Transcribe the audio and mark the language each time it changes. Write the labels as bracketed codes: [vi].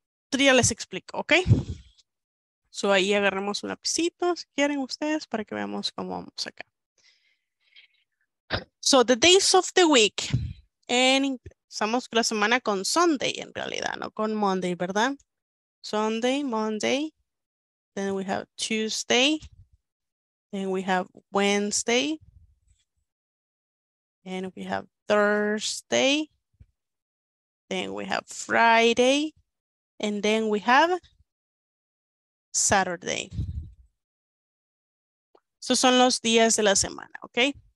[es] Pero ya les explico, ¿ok? So ahí agarramos un lapicito, si quieren ustedes, para que veamos cómo vamos acá. [en] So the days of the week. [es] Estamos la semana con Sunday en realidad, no con Monday, ¿verdad? [en] Sunday, Monday. Then we have Tuesday, then we have Wednesday, and we have Thursday, then we have Friday, and then we have Saturday. [es] So son los días de la semana, okay?